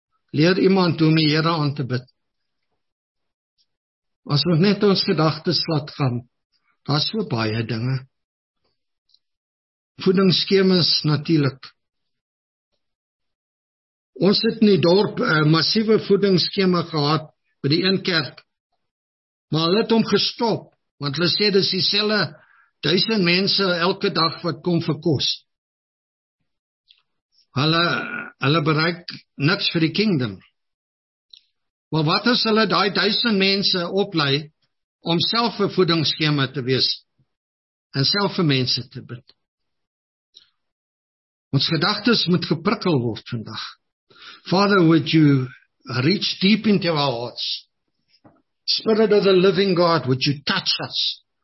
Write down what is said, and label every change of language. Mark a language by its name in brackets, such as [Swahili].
[Afrikaans] Leer iemand hoe om die Here aan te bid. As ons net ons gedagtes laat gaan, daar is so baie dinge. Voedingsskemas natuurlik. Ons het in die dorp 'n massiewe voedingsskema gehad by die een kerk. Maar hulle het hom gestop, want hulle sê dis dieselfde 1000 mense elke dag wat kom vir kos. Hulle bereik niks vir die kingdom. Maar wat as hulle daai 1000 mense oplei om self 'n voedingsskema te wees en self vir mense te bid? Ons gedagtes moet geprikkel word vandag. [English] Father, would you reach deep into our hearts? Spirit of the living God, would you touch us?